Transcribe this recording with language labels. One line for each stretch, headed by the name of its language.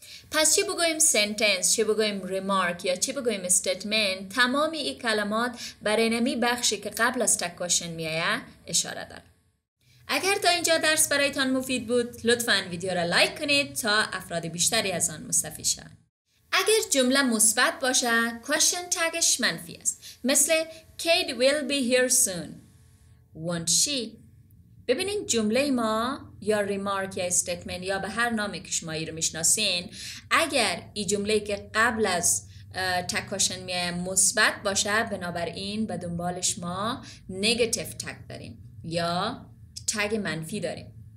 Persian: پس چی بگویم سنتنس، چی بگویم ریمارک یا چی بگویم استیتمنت، تمامی این کلمات برای نمی بخشی که قبل از tag question می آید اشاره دارد. اگر تا اینجا درس برایتان مفید بود، لطفاً ویدیو را لایک کنید تا افراد بیشتری از آن مستفید شوند. اگر جمله مثبت باشه، question tagش منفی است.
English: مثل Kate will be here soon. Won't she?
Persian: ببینین جمله ما یا remark یا statement یا به هر نامی که شما ای رو میشناسین، اگر این جمله که قبل از tag question میه مثبت باشه، بنابراین به دنبالش ما negative tag داریم یا تگ منفی داریم.